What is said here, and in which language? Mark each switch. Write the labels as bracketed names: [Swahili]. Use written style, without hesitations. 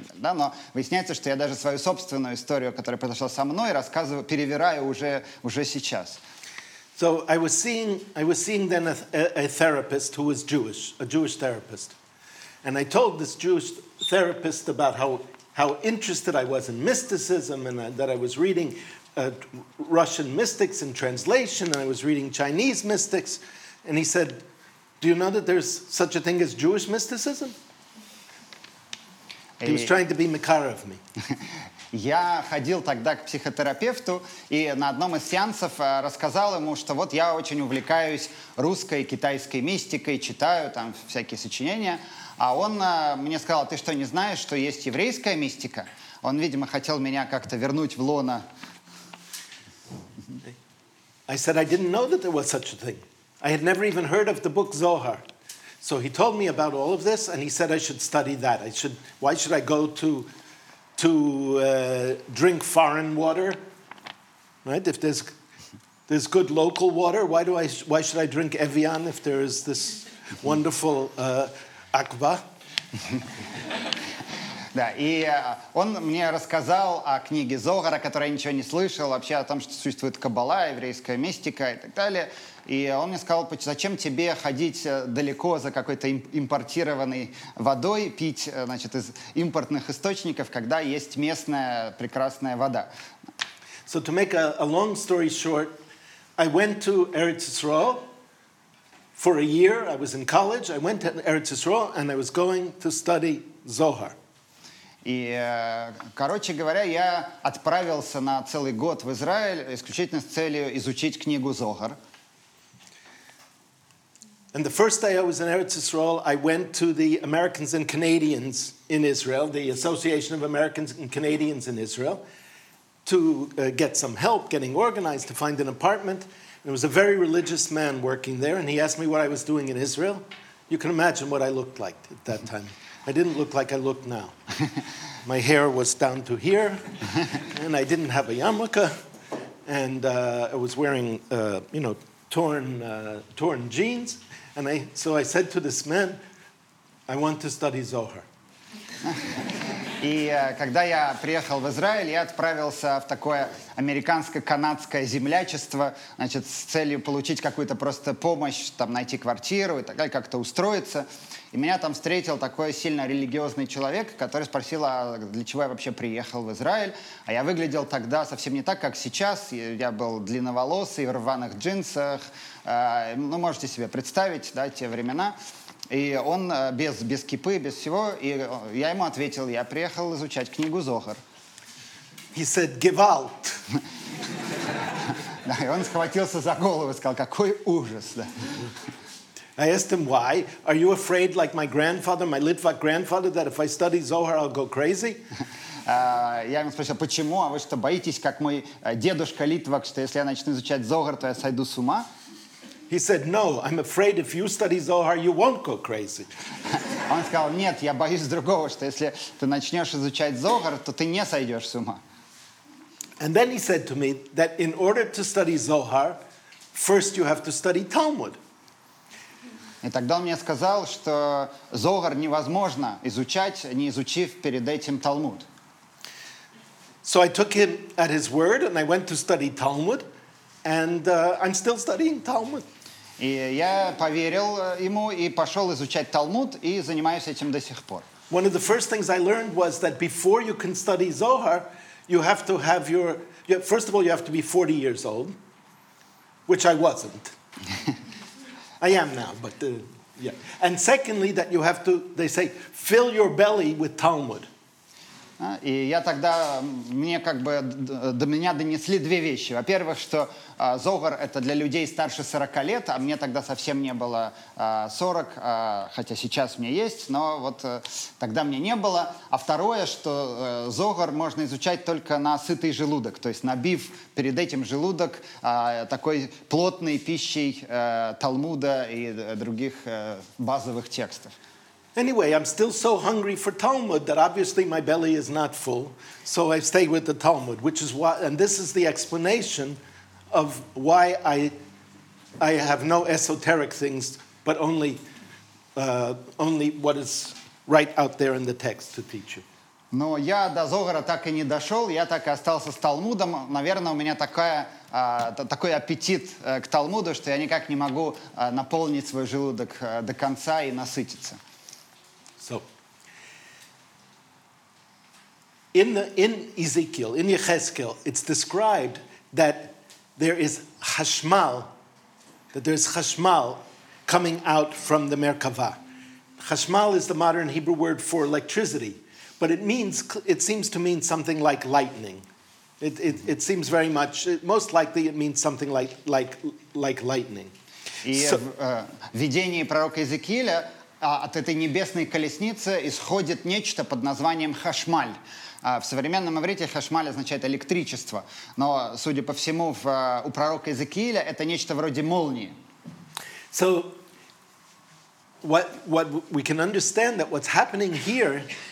[Russian] Да, но выясняется, что я даже свою собственную историю, которая произошла со мной, рассказываю, перевираю уже сейчас. [English] So I was seeing then a therapist who was Jewish, a Jewish therapist. And I told this Jewish therapist about how interested I was in mysticism and that I was reading Russian mystics in translation and I was reading Chinese mystics. And he said, do you know that there's such a thing as Jewish mysticism? He was trying to be Makarov me. [Russian] Я ходил тогда к психотерапевту и на одном из сеансов рассказал ему, что вот я очень увлекаюсь русской и китайской мистикой, читаю там всякие сочинения. А он мне сказал, ты что, не знаешь, что есть еврейская мистика? Он, видимо, хотел меня как-то вернуть в лоно. [English] I said, I didn't know that there was such a thing. I had never even heard of the book Zohar. So he told me about all of this, and he said, I should study that. Why should I go to... to drink foreign water, right? If there's good local water, why should I drink Evian if there is this wonderful aqua? [Russian] Да, и он мне рассказал о книге Зогара, которую я ничего не слышал, вообще о том, что существует каббала, еврейская мистика и так далее. И он мне сказал, зачем тебе ходить далеко за какой-то импортированной водой, пить, значит, из импортных источников, когда есть местная прекрасная вода. [English] So to make a long story short, I went to Eretz Yisrael for a year. I was in college. I went to Eretz Yisrael and I was going to study Zohar. [Russian] И, короче говоря, я отправился на целый год в Израиль исключительно с целью изучить книгу Зогар. [English] And the first day I was in Eretz Yisrael, I went to the Americans and Canadians in Israel, the Association of Americans and Canadians in Israel, to get some help getting organized to find an apartment. And there was a very religious man working there, and he asked me what I was doing in Israel. You can imagine what I looked like at that time. I didn't look like I look now. My hair was down to here, and I didn't have a yarmulke, and I was wearing, torn jeans. And I said to this man, I want to study Zohar. [Russian] И когда я приехал в Израиль, я отправился в такое американско-канадское землячество, значит, с целью получить какую-то просто помощь, там, найти квартиру и так далее, как-то устроиться. И меня там встретил такой сильно религиозный человек, который спросил, а для чего я вообще приехал в Израиль. А я выглядел тогда совсем не так, как сейчас. Я был длинноволосый, в рваных джинсах. Ну, можете себе представить, да, те времена. И он без кипы, без всего, и я ему ответил, я приехал изучать книгу Зохар. [English] He said, Gewalt. [Russian] Да, и он схватился за голову и сказал, какой ужас. Да. [English] I asked him, why? Are you afraid, like my grandfather, my Litvak grandfather, that if I study Zohar, I'll go crazy? [Russian] Я ему спросил, почему? А вы что, боитесь, как мой дедушка Литвак, что если я начну изучать Зохар, то я сойду с ума? [English] He said, no, I'm afraid if you study Zohar, you won't go crazy. [Russian] Он сказал, нет, я боюсь другого, что если ты начнешь изучать Зохар, то ты не сойдешь с ума. [English] And then he said to me that in order to study Zohar, first you have to study Talmud. [Russian] И тогда он мне сказал, что Зохар невозможно изучать, не изучив перед этим Талмуд. [English] So I took him at his word and I went to study Talmud. And I'm still studying Talmud. [Russian] И я поверил ему и пошел изучать Талмуд и занимаюсь этим до сих пор. [English] One of the first things I learned was that before you can study Zohar, you have to have your first of all you have to be 40 years old, which I wasn't. I am now, but yeah. And secondly, that you have to, they say, fill your belly with Talmud. [Russian] И я тогда, мне как бы до меня донесли две вещи. Во-первых, что Зогар — это для людей старше 40 лет, а мне тогда совсем не было 40, хотя сейчас мне есть, но вот тогда мне не было. А второе, что Зогар можно изучать только на сытый желудок, то есть набив перед этим желудок такой плотной пищей Талмуда и других базовых текстов. [English] Anyway, I'm still so hungry for Talmud that obviously my belly is not full, so I stay with the Talmud, which is why, and this is the explanation of why I have no esoteric things, but only what is right out there in the text to teach you. [Russian] Но я до Зогара так и не дошел, я так и остался с Талмудом. Наверное, у меня такой аппетит к Талмуду, что я никак не могу наполнить свой желудок до конца и насытиться. [English] So, in Ezekiel, in Yechezkel, it's described that there is chashmal, that there is chashmal coming out from the Merkava. Chashmal is the modern Hebrew word for electricity, but it seems to mean something like lightning. It seems very much, most likely it means something like lightning. [Russian] So, в видении пророка Иезекииля от этой небесной колесницы исходит нечто под названием хашмаль. В современном иврите хашмаль означает электричество, но, судя по всему, у пророка Иезекииля это нечто вроде молнии. [English] So what we can understand that what's happening here